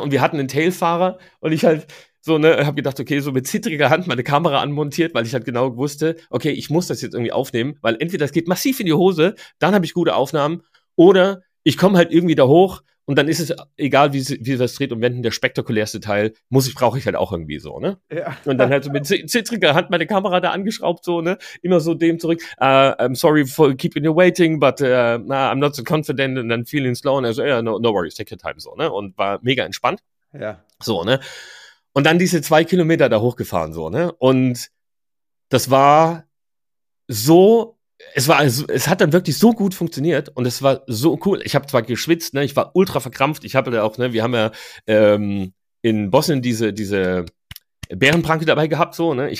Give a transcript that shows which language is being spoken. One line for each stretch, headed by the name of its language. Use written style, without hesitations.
German: Und wir hatten einen Tailfahrer und ich halt so, ne, hab gedacht, okay, so mit zittriger Hand meine Kamera anmontiert, weil ich halt genau wusste, okay, ich muss das jetzt irgendwie aufnehmen, weil entweder es geht massiv in die Hose, dann habe ich gute Aufnahmen, oder ich komme halt irgendwie da hoch und dann ist es egal, wie das dreht und wenden, der spektakulärste Teil, brauche ich halt auch irgendwie so, ne? Ja. Und dann halt so mit zittriger Hand meine Kamera da angeschraubt, so, ne? Immer so dem zurück,
English: I'm sorry for keeping you waiting, but I'm not so confident and I'm feeling slow.
German: Und er so,
English: yeah, no worries, take your time,
German: so, ne? Und war mega entspannt. Ja. So, ne? Und dann diese 2 Kilometer da hochgefahren, so, ne? Und das war so, es hat dann wirklich so gut funktioniert und es war so cool. Ich habe zwar geschwitzt, ne, ich war ultra verkrampft. Ich habe da auch, ne, wir haben ja in Bosnien diese Bärenpranke dabei gehabt, so, ne.